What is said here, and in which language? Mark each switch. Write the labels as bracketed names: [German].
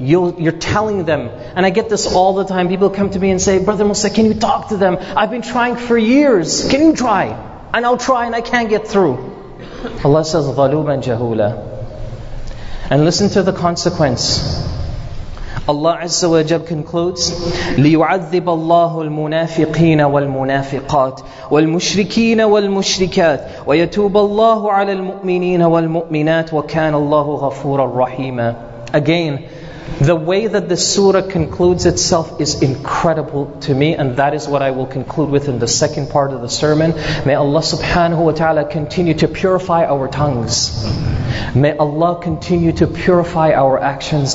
[English] You're telling them. And I get this all the time. People come to me and say, Brother Musa, can you talk to them? I've been trying for years. Can you try? And I'll try and I can't get through. Allah says, [Arabic] ظَلُومًا جَهُولًا. [English] And listen to the consequence. [Arabic] Allah Azza wa Jal concludes, لِيُعَذِّبَ اللَّهُ الْمُنَافِقِينَ وَالْمُنَافِقَاتِ وَالْمُشْرِكِينَ وَالْمُشْرِكَاتِ وَيَتُوبَ اللَّهُ عَلَى الْمُؤْمِنِينَ وَالْمُؤْمِنَاتِ وَكَانَ اللَّهُ غَفُورًا رَحِيمًا. [English] Again, the way that the surah concludes itself is incredible to me, and that is what I will conclude with in the second part of the sermon. May Allah subhanahu wa ta'ala continue to purify our tongues. May Allah continue to purify our actions.